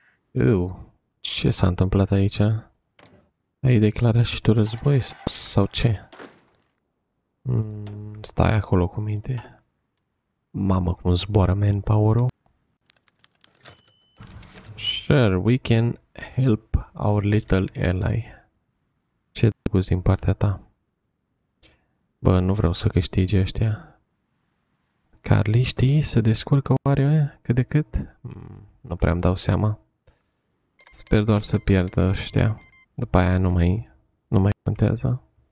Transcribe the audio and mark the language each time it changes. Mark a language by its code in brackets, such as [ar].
[ro] Eu, ce s-a întâmplat aici? Ai declarat și tu război sau ce? Stai acolo cu minte. Mamă, cum zboară manpower-ul. [en] Sure, we can help our little ally. [ro] Ce drăguț din partea ta? Bă, nu vreau să câștigi ăștia. Carly, știi să descurcă oare cât de cât? Nu prea îmi dau seama. Sper doar să pierdă ăștia. După aia nu mai contează.